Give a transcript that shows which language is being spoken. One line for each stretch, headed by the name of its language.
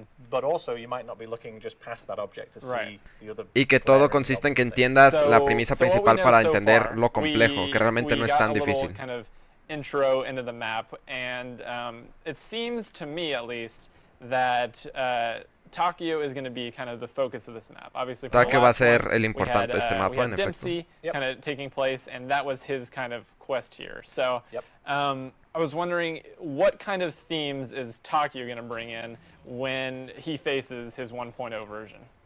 English: But also you might not be looking just past that object to see the other.
Spanish: Y que todo consiste en que entiendas la premisa principal para entender lo complejo, que realmente no es tan difícil.
English: Kind of intro into the map, and it seems to me, at least, that Takeo is going to be kind of the focus of this map. Obviously,
Spanish: Takeo va a ser el importante de este mapa, en efecto.
English: We had Dempsey kind of taking place, and that was his kind of quest here. So, I was wondering, what kind of themes is Takeo going to bring in when he faces his 1.0 version?